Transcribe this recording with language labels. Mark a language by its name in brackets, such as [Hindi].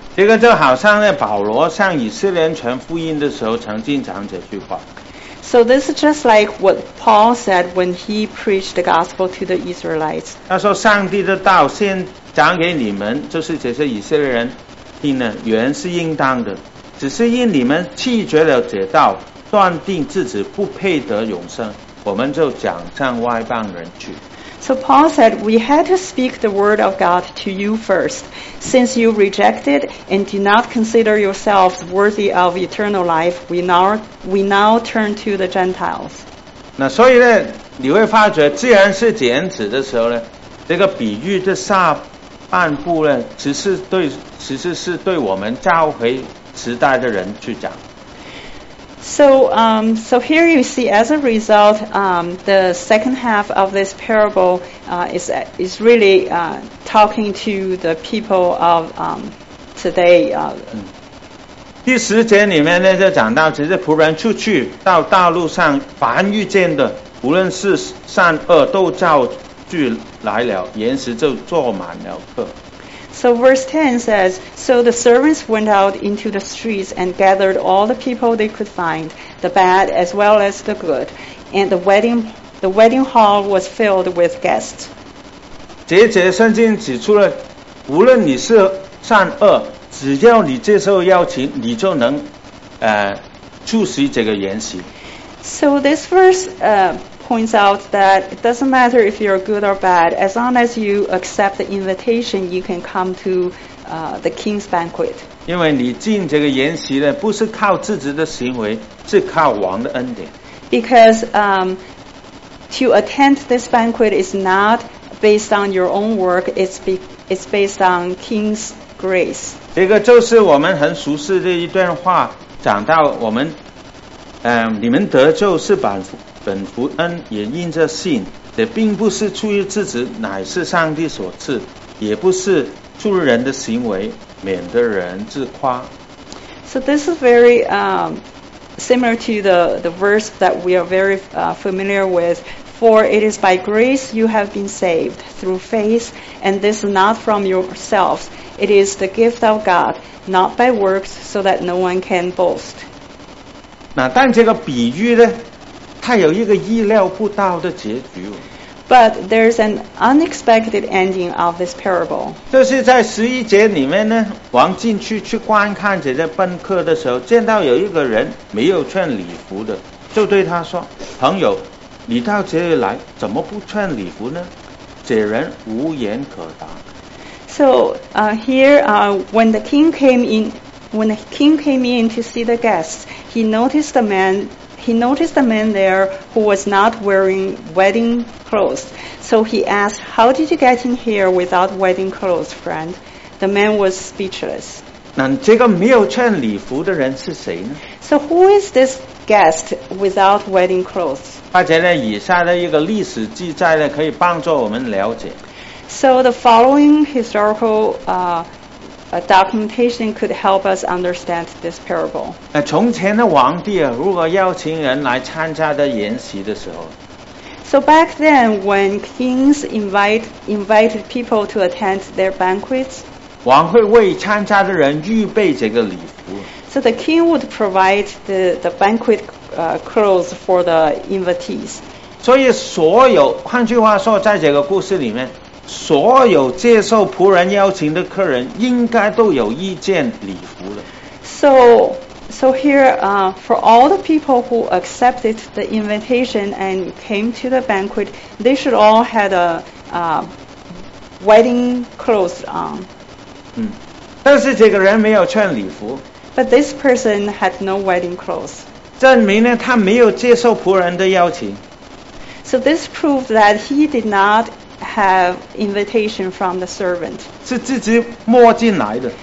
[Chinese] 这个就好像呢，保罗向以色列人传福音的时候曾经讲这句话。 [English] So this is just like what Paul said when he preached the gospel to the Israelites. [Chinese] 他说上帝的道先讲给你们就是这些以色列人听呢原是应当的只是因你们弃绝了这道断定自己不配得永生我们就讲向外邦人去。 [English] So Paul said, we had to speak the word of God to you first, since you rejected and did not consider yourselves worthy of eternal life, we now turn to the Gentiles. [Chinese] 那所以呢，你会发觉，既然是剪纸的时候呢，这个比喻的下半部呢，其实是对我们召回时代的人去讲。 [English] So here you see, as a result, the second half of this parable is really talking to the people of today. [Chinese] 第十节里面呢，就讲到，其实仆人出去到道路上，凡遇见的，无论是善恶，都叫聚来了，筵席就坐满了客。 [English] So verse 10 says, So the servants went out into the streets and gathered all the people they could find, the bad as well as the good. And the wedding hall was filled with guests. [Chinese] 这节圣经指出了，无论你是善恶，只要你接受邀请，你就能出席这个筵席。 [English] So this verse points out that it doesn't matter if you're good or bad, as long as you accept the invitation, you can come to the king's banquet. [Chinese] 因为你进这个筵席呢，不是靠自己的行为，是靠王的恩典。 [English] Because to attend this banquet is not based on your own work, it's based on king's grace. [Chinese] 这个就是我们很熟悉的一段话，讲到我们你们得救是本福恩也因着信，这并不是出于自己，乃是上帝所赐，也不是出于人的行为，免得人自夸。 [English] So this is very similar to the verse that we are very familiar with. For it is by grace you have been saved through faith, and this is not from yourselves; it is the gift of God, not by works, so that no one can boast. [Chinese] 那但这个比喻呢？它有一个意料不到的结局。 [English] But there's an unexpected ending of this parable. [Chinese] 就是在十一节里面呢，王进去去观看这些宾客的时候，见到有一个人没有穿礼服的，就对他说：“朋友，你到这里来怎么不穿礼服呢？这人无言可答。 [English] So, here, when the king came in, when the king came in to see the guests, he noticed the man there who was not wearing wedding clothes. So he asked, "How did you get in here without wedding clothes, friend?" The man was speechless. [Chinese] 那这个没有穿礼服的人是谁呢？ [English] So who is this guest without wedding clothes? [Chinese] 而且呢，以下的一个历史记载呢，可以帮助我们了解。 [English] So the following historical documentation could help us understand this parable. [Chinese] 那从前的皇帝啊，如果邀请人来参加的宴席的时候。 [English] So back then, when kings invited people to attend their banquets, [Chinese] 王会为参加的人预备这个礼服。 [English] So the king would provide the banquet clothes for the invitees. [Chinese] 所以所有，换句话说，在这个故事里面。所有接受仆人邀请的客人应该都有一件礼服了。 [English] So here, for all the people who accepted the invitation and came to the banquet, they should all had a wedding clothes on. [Chinese] 嗯，但是这个人没有穿礼服。 [English] But this person had no wedding clothes. [Chinese] 证明呢，他没有接受仆人的邀请。 [English] So this proved that he did not. Have invitation from the servant. [Chinese] 是自己摸进来的。